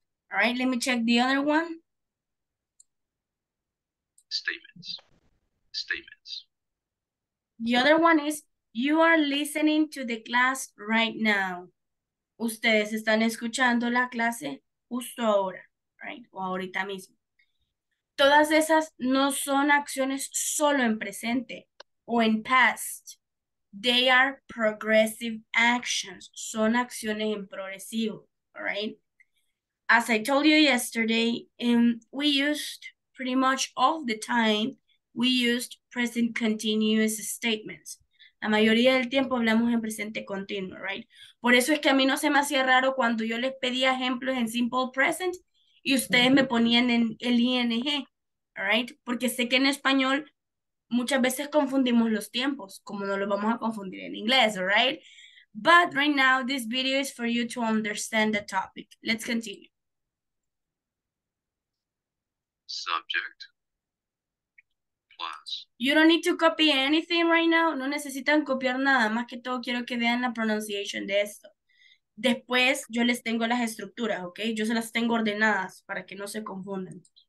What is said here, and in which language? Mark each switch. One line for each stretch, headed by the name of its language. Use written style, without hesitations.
English: All right, let me check the other one. Statements. Statements. The other one is, you are listening to the class right now.
Spanish: Ustedes están escuchando la clase justo ahora, right? O ahorita mismo. Todas esas no son acciones solo en presente o en past.
English: They are progressive actions.
Spanish: Son acciones en progresivo,
English: all right? As I told you yesterday, we used pretty much all the time, we used present continuous statements.
Spanish: La mayoría del tiempo hablamos en presente continuo, right? Por eso es que a mí no se me hacía raro cuando yo les pedía ejemplos en simple present y ustedes me ponían en el ING, all right? Porque sé que en español muchas veces confundimos los tiempos, como no lo vamos a confundir en inglés, all right?
English: But right now, this video is for you to understand the topic. Let's continue. Subject plus. You don't need to copy anything right now.
Spanish: No necesitan copiar nada. Más que todo, quiero que vean la pronunciation de esto. Después, yo les tengo las estructuras, ¿ok? Yo se las tengo ordenadas para que no se confundan.